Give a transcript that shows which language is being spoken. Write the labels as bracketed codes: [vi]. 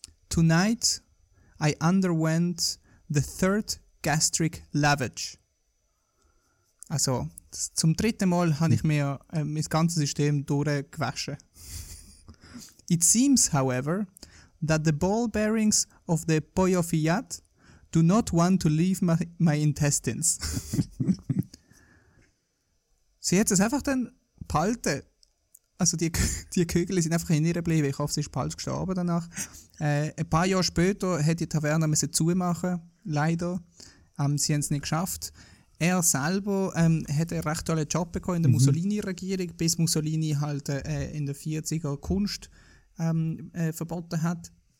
[en] Tonight I underwent the third gastric lavage. [de] Also, zum dritten Mal habe ich mir mein ganzes System durchgewaschen. [en] It seems, however, that the ball bearings of the Pollo Fiat do not want to leave my intestines. [de] Sie hat es einfach dann behalten. Also die Kügel sind einfach in ihr geblieben. Ich hoffe, sie ist bald gestorben danach. Ein paar Jahre später hat die Taverne müssen zumachen, leider. Sie haben es nicht geschafft. Er selber hat einen recht tollen Job bekommen in der Mussolini-Regierung, bis Mussolini halt in den 40er Kunst verboten hat.